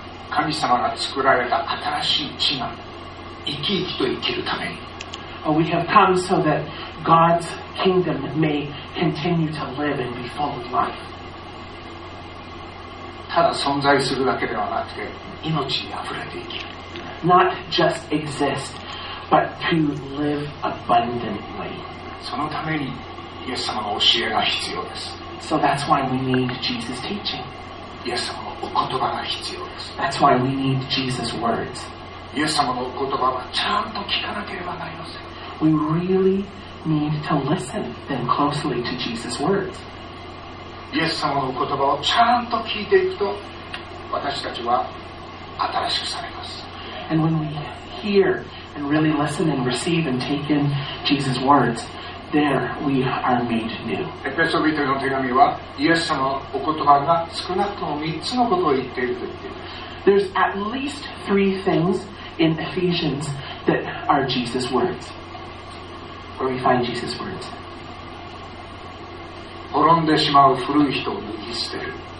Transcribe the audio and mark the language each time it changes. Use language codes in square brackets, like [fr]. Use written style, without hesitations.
[ja] 神様が作られた新しい地が生き生きと生きるために。 [en] We have come so that God's kingdom may continue to live and be full of life. [ja] ただ存在するだけではなくて、命にあふれていける。 [en] Not just exist, but to live abundantly. [ja] そのためにイエス様の教えが必要です。 [en] So that's why we need Jesus' teaching. [ja] イエス様のお言葉が必要です。 [en] That's why we need Jesus' words. [ja] イエス様のお言葉はちゃんと聞かなければなりません。 [en] We really need to listen then closely to Jesus' words. [ja] イエス様のお言葉をちゃんと聞いていくと、私たちは新しくされます。 [en] And when we hear and really listen and receive and take in Jesus' words, there we are made new. [ja] エペソ人への手紙は、イエス様のお言葉が少なくとも3つのことを言っていると言っています。 [en] There's at least three things in Ephesians that are Jesus' words. Where we find Jesus' words. [ja] 滅んでしまう古い人を脱ぎ捨てる。